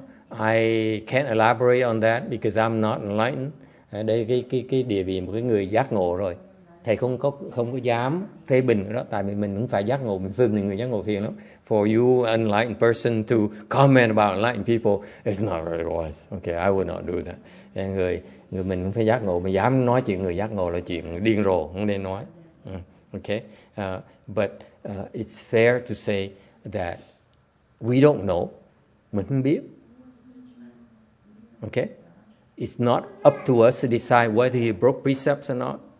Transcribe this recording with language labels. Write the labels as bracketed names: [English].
[English] I can't elaborate on that because I'm not enlightened. [Vietnamese] Đây cái địa vị một cái người giác ngộ rồi. Thầy không có dám phê bình đó, tại vì mình cũng phải giác ngộ, mình phê bình người giác ngộ thiền lắm. [English] For you enlightened person to comment about enlightened people, it's not very wise. Okay, I would not do that. [Vietnamese] Người mình cũng phải giác ngộ, mà dám nói chuyện người giác ngộ là chuyện điên rồ, không nên nói. [English] Okay, but it's fair to say that we don't know, [Vietnamese] mình không biết. [English] Okay, it's not up to us to decide whether he broke precepts or not.